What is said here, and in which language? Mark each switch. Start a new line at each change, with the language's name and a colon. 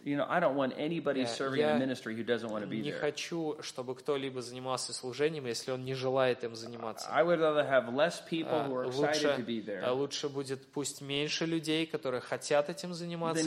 English: You know, I don't want anybody serving in the ministry who doesn't want to be there.
Russian: Не хочу, чтобы кто-либо занимался служением, если он не желает им заниматься.
English: I would rather have less people who are excited to be there.
Russian: Лучше будет пусть меньше людей, которые хотят этим заниматься,